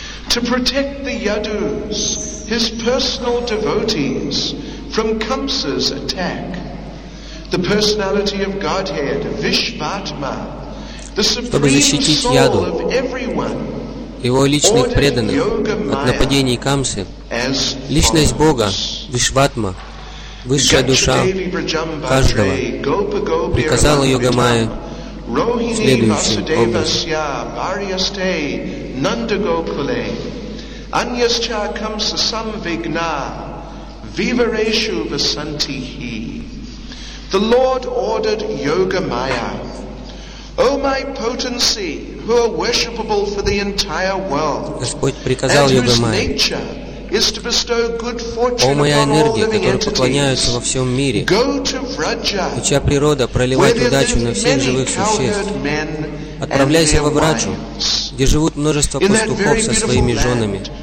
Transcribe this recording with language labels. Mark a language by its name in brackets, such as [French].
[English] To protect the Yadus, his personal devotees, from Kamsa's attack, the personality of Godhead, Vishvatma, the supreme soul of everyone, [Russian] его личных преданных от нападений Камсы, личность Бога, Вишватма, высшая душа каждого приказала Йогамае следующий образ. [English] O my potency, who are worshipable for the entire world, [Russian] Господь приказал Йогамае, о моя энергия, которая поклоняется во всем мире, и чья природа проливает удачу на всех живых существ, отправляйся во Враджу, где живут множество пастухов со своими женами.